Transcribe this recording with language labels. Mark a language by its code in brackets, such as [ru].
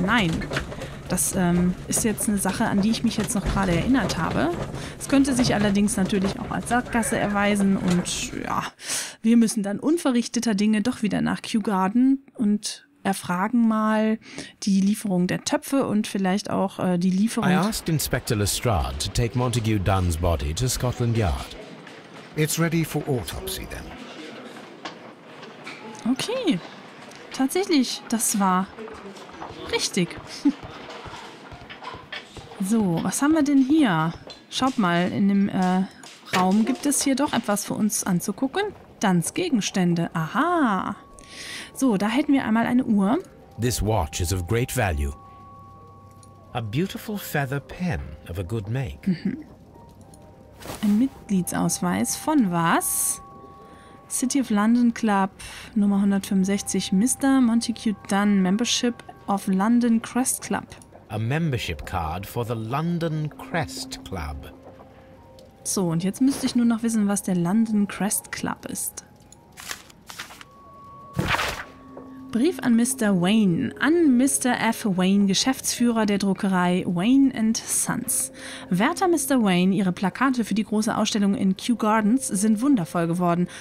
[de] Nein, das ist jetzt eine Sache, an die ich mich jetzt noch gerade erinnert habe. Es könnte sich allerdings natürlich auch als Sackgasse erweisen und ja, wir müssen dann unverrichteter Dinge doch wieder nach Kew Garden und erfragen mal die Lieferung der Töpfe und vielleicht auch die Lieferung... [en] I asked Inspector Lestrade to take Montague Dunn's body to Scotland Yard. It's ready for autopsy then. Okay. [de] Tatsächlich, das war richtig. So, was haben wir denn hier? Schaut mal, in dem Raum gibt es hier doch etwas für uns anzugucken. Duns Gegenstände. Aha. So, da hätten wir einmal eine Uhr. [en] This watch is of great value. A beautiful feather pen of a good make. Mhm. [de] Ein Mitgliedsausweis von was? City of London Club Nummer 165, Mr. [en] Montague Dunn, Membership of London Crest Club. A membership card for the London Crest Club. [de] So, und jetzt müsste ich nur noch wissen, was der London Crest Club ist. Brief an Mr. Wayne. An Mr. F. Wayne, Geschäftsführer der Druckerei Wayne and Sons. Werter Mr. Wayne, Ihre Plakate für die große Ausstellung in Kew Gardens sind wundervoll geworden.